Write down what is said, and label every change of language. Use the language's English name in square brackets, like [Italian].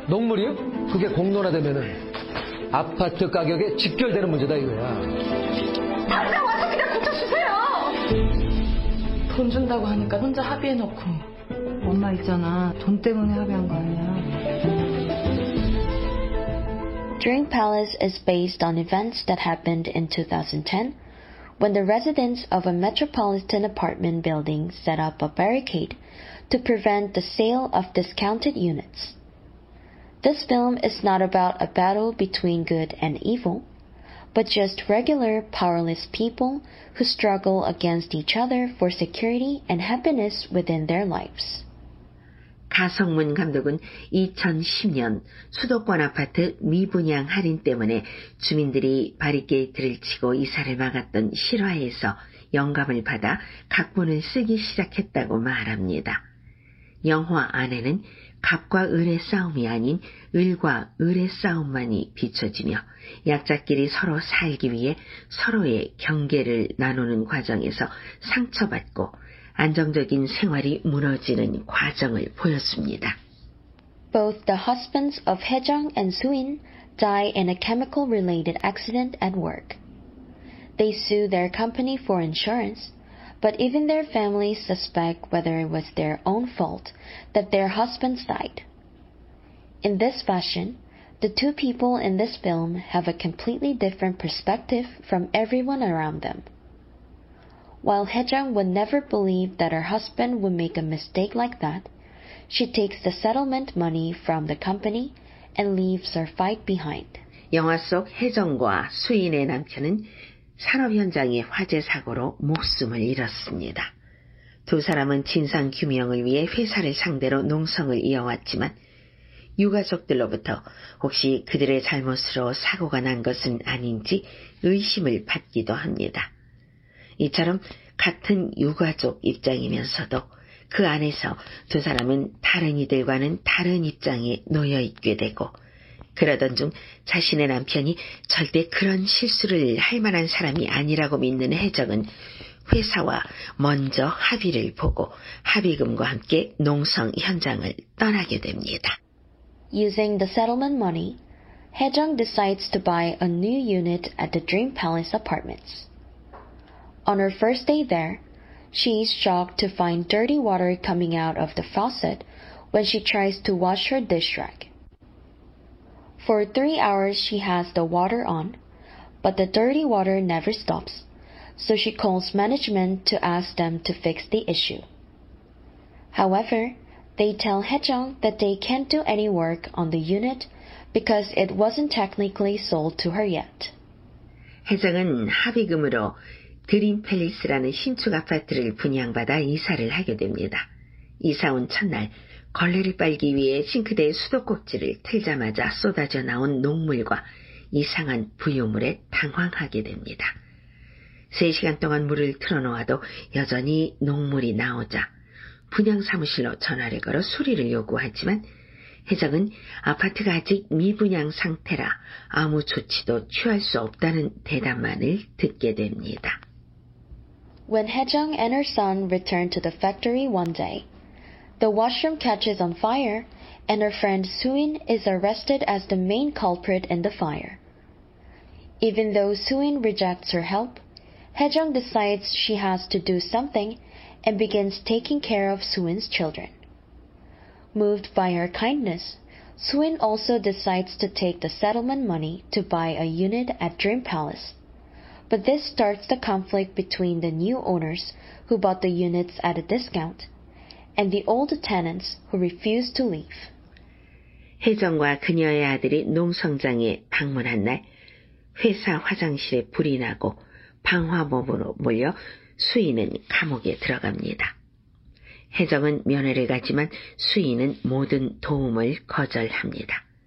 [Korean] 녹물이요? 그게 공론화되면은 아파트 가격에 직결되는 문제다 이거야. 당장 와서 그냥 고쳐주세요. 돈 준다고 하니까 혼자 합의해놓고. 엄마 있잖아. 돈 때문에 합의한 거 아니야. [English] Dream Palace is based on events that happened in 2010. When the residents of a metropolitan apartment building set up a barricade to prevent the sale of discounted units. This film is not about a battle between good and evil, but just regular powerless people who struggle against each other for security and happiness within their lives. [Korean] 가성문 감독은 2010년 수도권 아파트 미분양 할인 때문에 주민들이 바리케이드를 치고 이사를 막았던 실화에서 영감을 받아 각본을 쓰기 시작했다고 말합니다. 영화 안에는 갑과 을의 싸움이 아닌 을과 을의 싸움만이 비춰지며 약자끼리 서로 살기 위해 서로의 경계를 나누는 과정에서 상처받고 안정적인 생활이 무너지는 과정을 보였습니다. [English] Both the husbands of Hye-jung and Soo-in die in a chemical-related accident at work. They sue their company for insurance, but even their families suspect whether it was their own fault that their husbands died. In this fashion, the two people in this film have a completely different perspective from everyone around them. While Hye-jung would never believe that her husband would make a mistake like that, she takes the settlement money from the company and leaves her fight behind. [Korean] 영화 속 혜정과 수인의 남편은 산업 현장의 화재 사고로 목숨을 잃었습니다. 두 사람은 진상 규명을 위해 회사를 상대로 농성을 이어왔지만 유가족들로부터 혹시 그들의 잘못으로 사고가 난 것은 아닌지 의심을 받기도 합니다. 이처럼 같은 유가족 입장이면서도 그 안에서 두 사람은 다른 이들과는 다른 입장에 놓여 있게 되고 그러던 중 자신의 남편이 절대 그런 실수를 할 만한 사람이 아니라고 믿는 혜정은 회사와 먼저 합의를 보고 합의금과 함께 농성 현장을 떠나게 됩니다. [English] Using the settlement money, Hye-jung decides to buy a new unit at the Dream Palace Apartments. On her first day there, she is shocked to find dirty water coming out of the faucet when she tries to wash her dish rag. For 3 hours she has the water on, but the dirty water never stops, so she calls management to ask them to fix the issue. However, they tell Hye-jung that they can't do any work on the unit because it wasn't technically sold to her yet. [Korean] 혜정은 합의금으로 드림 팰리스라는 신축 아파트를 분양받아 이사를 하게 됩니다. 이사 온 첫날, 걸레를 빨기 위해 싱크대의 수도꼭지를 틀자마자 쏟아져 나온 녹물과 이상한 부유물에 당황하게 됩니다. 3시간 동안 물을 틀어놓아도 여전히 녹물이 나오자 분양 사무실로 전화를 걸어 수리를 요구하지만 혜정은 아파트가 아직 미분양 상태라 아무 조치도 취할 수 없다는 대답만을 듣게 됩니다. [English] When Hye-jung and her son return to the factory one day, the washroom catches on fire and her friend Soo-in is arrested as the main culprit in the fire. Even though Soo-in rejects her help, Hye-jung decides she has to do something and begins taking care of Soo-in's children. Moved by her kindness, Soo-in also decides to take the settlement money to buy a unit at Dream Palace. But this starts the conflict between the new owners who bought the units at a discount and the old tenants who refused to leave. [Korean] 혜정과 그녀의 아들이 농성장에 방문한 날 회사 화장실에 불이 나고 방화범으로 몰려 수인은 감옥에 들어갑니다. 혜정은 면회를 가지만 수인은 모든 도움을 거절합니다.